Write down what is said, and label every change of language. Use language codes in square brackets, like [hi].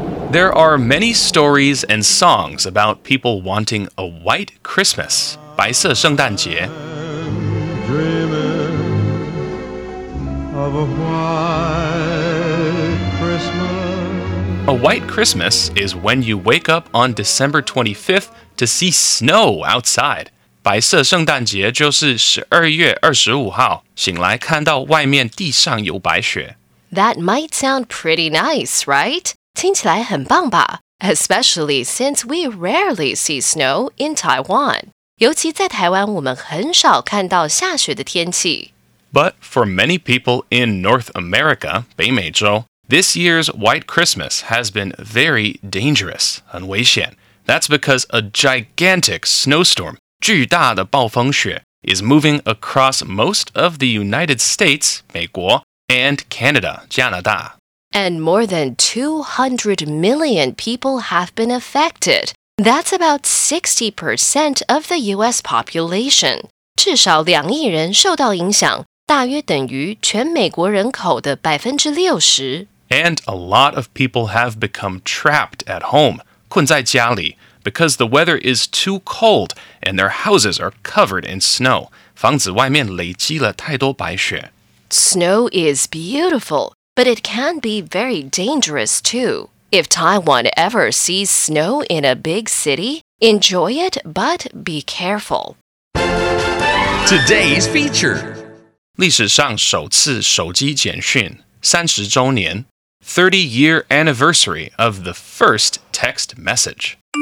[en] There are many stories and songs about people wanting a white Christmas. [zh] 白色圣诞节 [en] Dreaming of a white Christmas. A white Christmas is when you wake up on December 25th to see snow outside. [zh] 白色圣诞节就是12月25号醒来看到外面地上有白雪 [en] That might sound pretty nice, right? [zh] 听起来很棒吧 [en] Especially since we rarely see snow in Taiwan [zh] 尤其在台湾我们很少看到下雪的天气 [en] But for many people in North America, 北美洲 This year's White Christmas has been very dangerous, [zh] 很危险 [en] That's because a gigantic snowstorm [zh] 巨大的暴风雪 [en] is moving across most of the United States, 美国, and Canada, 加拿大。 And more than 200 million people have been affected. That's about 60% of the U.S. population. [zh] 至少两亿人受到影响,大约等于全美国人口的 60%。 [en] And a lot of people have become trapped at home, [zh] 困在家里。 [en] Because the weather is too cold and their houses are covered in snow. [zh] 房子外面累积了太多白雪。 [en] Snow is beautiful, but it can be very dangerous too. If Taiwan ever sees snow in a big city, enjoy it, but be careful. Today's feature. [zh] 历史上首次手机简讯三十周年 [en] 30-year anniversary of the first text message.